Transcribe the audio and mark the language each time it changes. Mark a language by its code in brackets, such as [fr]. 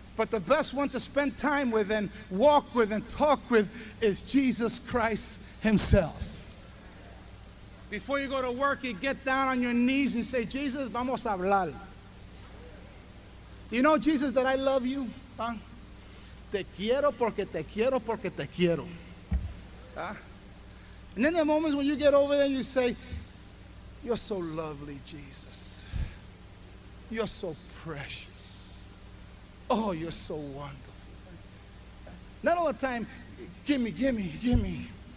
[en] But the best one to spend time with and walk with and talk with is Jesus Christ Himself. Before you go to work, you get down on your knees and say, Jesus, [es] vamos a hablar. [en] Do you know, Jesus, that I love you? Huh? [es] Te quiero porque te quiero porque te quiero. Huh? [en] And then there are moments when you get over there and you say, you're so lovely, Jesus. You're so precious. Oh, you're so wonderful. Not all the time, give me, give me, give me.